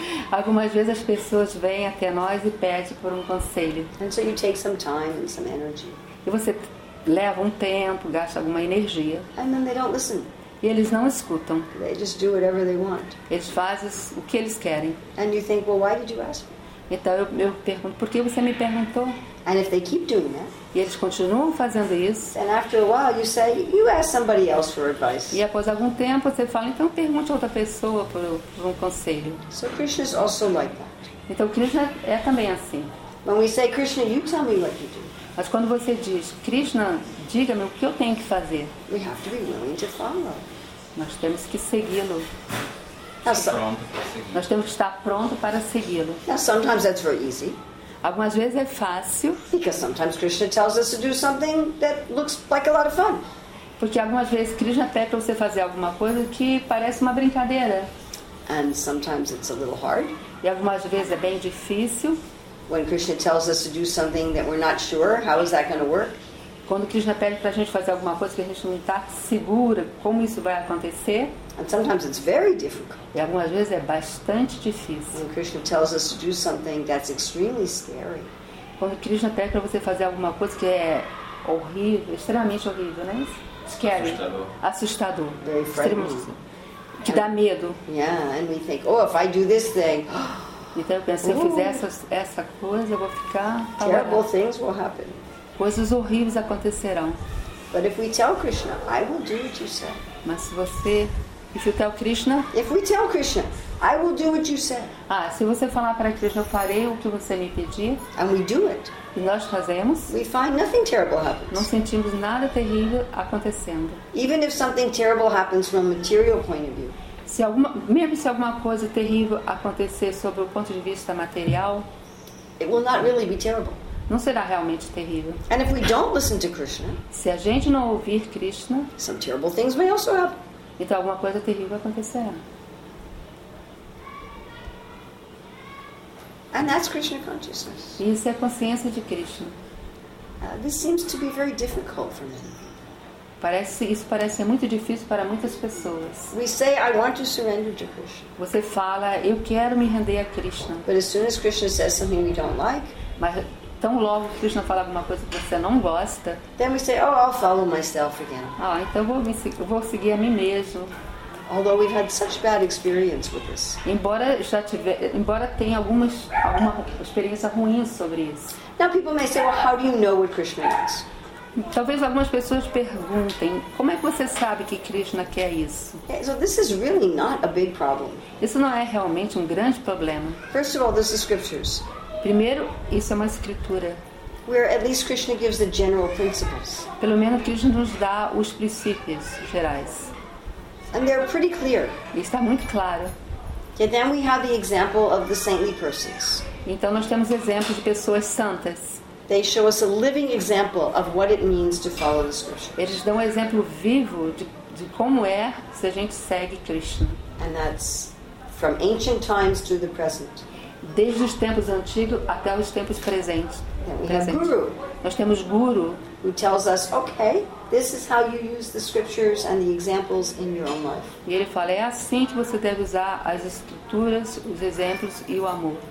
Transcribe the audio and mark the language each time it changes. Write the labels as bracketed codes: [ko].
[pt] Algumas vezes as pessoas vêm até nós e pedem por um conselho. [en] And so you take some time and some energy. [pt] E você leva um tempo, gasta alguma energia. [en] And then they don't listen. [pt] E eles não escutam. [en] They just do whatever they want. [pt] Eles fazem o que eles querem. [en] And you think, well, why did you ask me? [pt] Então eu pergunto, por que você me perguntou? [en] And if they keep doing that, [pt] e eles continuam fazendo isso. [en] And after a while, you say, you ask somebody else for advice. [pt] E após algum tempo, você fala, então pergunte a outra pessoa por um conselho. [en] So Krishna is also like that. [pt] Então Krishna é também assim. [en] When we say, Krishna, you tell me what you do. [pt] Mas quando você diz, Krishna, diga-me o que eu tenho que fazer. [en] We have to be willing to follow. [pt] Nós temos que segui-lo. Nós temos que estar pronto para segui-lo. [en] Now, sometimes that's very easy. [pt] Algumas vezes é fácil. [en] Because sometimes Krishna tells us to do something that looks like a lot of fun. [pt] Porque algumas vezes Krishna pede para você fazer alguma coisa que parece uma brincadeira. [en] And sometimes it's a little hard. [pt] E algumas vezes é bem difícil. [en] When Krishna tells us to do something that we're not sure, how is that going to work? [pt] Quando Krishna pede para a gente fazer alguma coisa que a gente não está segura, como isso vai acontecer? [en] And sometimes it's very difficult. [pt] E algumas vezes é bastante difícil. [en] When Krishna tells us to do something that's extremely scary. [pt] Quando Krishna pede para você fazer alguma coisa que é horrível, extremamente horrível, né? [en] Scary. [pt] Assustador. [en] Very frightening. [pt] Que dá medo. [en] Yeah, and we think, oh, if I do this thing. [pt] Então eu penso, se eu fizer essa coisa, eu vou ficar... [en] Terrible [pt] parada. [en] Things will happen. [pt] Coisas horríveis acontecerão. [en] But if we tell Krishna, I will do what you say. [pt] Mas se você... [en] If you tell Krishna... If we tell Krishna, I will do what you say. [pt] Ah, se você falar para Krishna, eu farei o que você me pedir. [en] And we do it. [pt] E nós fazemos. [en] We find nothing terrible happens. [pt] Não sentimos nada terrível acontecendo. [en] Even if something terrible happens from a material point of view. [pt] Mesmo se alguma coisa terrível acontecer sobre o ponto de vista material, [en] it will not really be terrible. [pt] Não será realmente terrível. [en] And if we don't listen to Krishna, [pt] se a gente não ouvir Krishna, [en] some terrible things may also happen. [pt] Então alguma coisa terrível acontecerá. [en] And that's Krishna consciousness. [pt] Isso é a consciência de Krishna. [en] This seems to be very difficult for me. [pt] Isso parece ser muito difícil para muitas pessoas. [en] We say, I want to surrender to Krishna. [pt] Você fala, eu quero me render a Krishna. [en] But as soon as Krishna says something we don't like, [pt] mas tão logo que Krishna fala alguma coisa que você não gosta, [en] then we say, oh, I'll follow myself again. [pt] Ah, então vou seguir a mim mesmo. [en] Although we've had such bad experience with this. [pt] Embora tenha alguma experiência ruim sobre isso. [en] Now people may say, well, how do you know what Krishna wants? [pt] Talvez algumas pessoas perguntem, como é que você sabe que Krishna quer isso? [en] Yeah, so this is really not a big problem. [pt] Isso não é realmente um grande problema. [en] First of all, this is scriptures. [pt] Primeiro, isso é uma escritura. [en] Where at least Krishna gives the general principles. [pt] Pelo menos Krishna nos dá os princípios gerais. [en] And they're pretty clear. [pt] E está muito claro. [en] Yeah, then we have the example of the saintly persons. [pt] Então nós temos exemplos de pessoas santas. [en] They show us a living example of what it means to follow the scriptures. [pt] Eles dão um exemplo vivo de como é se a gente segue Krishna. [en] And that's from ancient times to the present. [pt] desde os tempos antigos até os tempos presentes. [en] Guru. [pt] Nós temos Guru, [en] who tells us, okay, this is how you use the scriptures and the examples in your own life. [pt] E ele fala, é assim que você deve usar as escrituras, os exemplos e o amor.